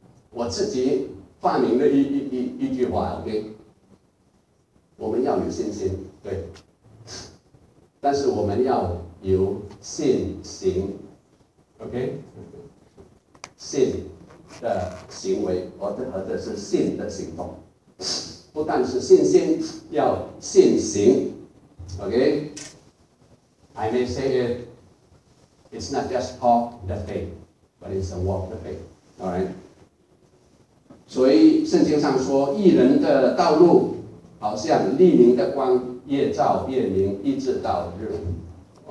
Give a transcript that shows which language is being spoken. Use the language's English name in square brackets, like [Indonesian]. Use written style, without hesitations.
[Chinese] 我自己发明了一句话 ，OK， 我们要有信心，对，但是我们要有信心 ，OK， 信的行为，或者是信的行动，不但是信心，要信行 ，OK。 [English] I may say it, it's not just talk the faith, but it's a walk the faith. All right. [Chinese] 所以圣经上说，义人的道路好像黎明的光，越照越明，一直到日午。